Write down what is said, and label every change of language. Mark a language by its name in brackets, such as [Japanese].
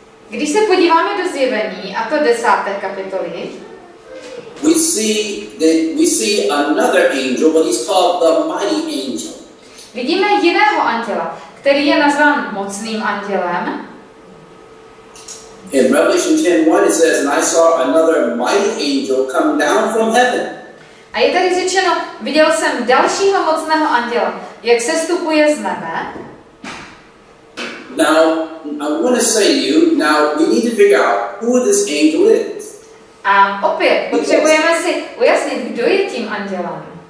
[Czech] když se podíváme do zjevení, a to 10. kapitoly, [English] we see another angel, but he's called the mighty angel. [Czech] Vidíme jiného anděla, který je nazván mocným andělem. [English] In Revelation 10:1 it says, and I saw another mighty angel come down from heaven. [Czech] A je tady řečeno, viděl jsem dalšího mocného anděla, jak sestupuje z nebe. [English] Now, I want to say to you, now we need to figure out who this angel is. [Czech] A opět, potřebujeme si ujasnit, kdo je tím andělem.